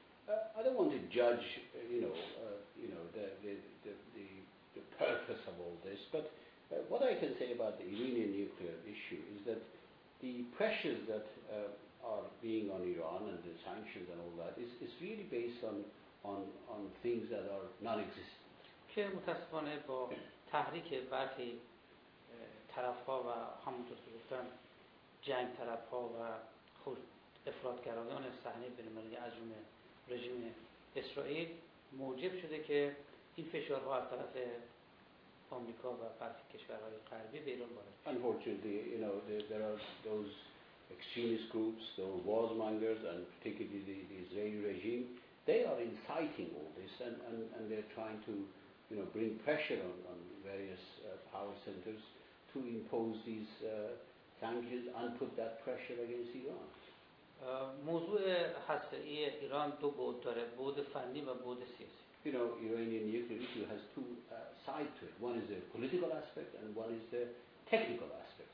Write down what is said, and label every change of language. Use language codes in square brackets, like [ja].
[en] I don't want to judge the purpose of all this, but what I can say about the Iranian nuclear issue is that the pressures that are being on Iran and the sanctions and all that is really based on things that are non-existent. [fa] که متأسفانه با تحریک برخی طرف‌ها و همونطور که گفتن جنگ طرف‌ها و افراط‌گرایان صحنه بین‌المللی از جمله رژیم اسرائیل موجب شده که این فشارها از طرف آمریکا و برخی کشورهای غربی به ایران وارد شد. [en] Unfortunately, there are those extremist groups, the warmongers, and particularly the Israeli regime. They are inciting all this, and they're trying to, bring pressure on various power centers to impose these sanctions and put that pressure against Iran. [fa] موضوع هسته‌ای ایران دو بُعد داره، بُعد فنی و بُعد سیاسی. [en] Iranian nuclear issue has two sides to it. One is the political aspect, and one is the technical aspect.